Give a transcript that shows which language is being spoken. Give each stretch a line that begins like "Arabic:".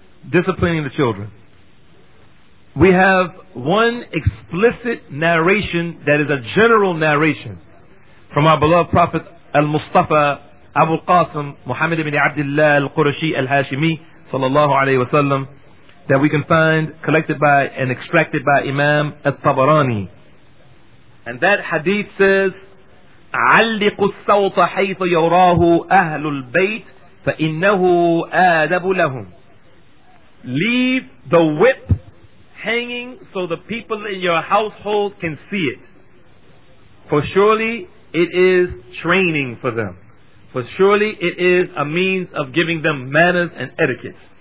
English: Disciplining the children. We have one explicit narration that is a general narration from our beloved Prophet Al-Mustafa Abu Al-Qasim Muhammad ibn Abdullah Al-Qurashi Al-Hashimi sallallahu alayhi wa sallam, that we can find collected by and extracted by Imam At-Tabarani. And that hadith says,
Arabic: عَلِّقُ السَّوْطَ حَيْثُ يَوْرَاهُ أَهْلُ الْبَيْتِ فَإِنَّهُ آدَبُ لَهُمْ.
English: Leave the whip hanging so the people in your household can see it. For surely it is training for them. For surely it is a means of giving them manners and etiquette.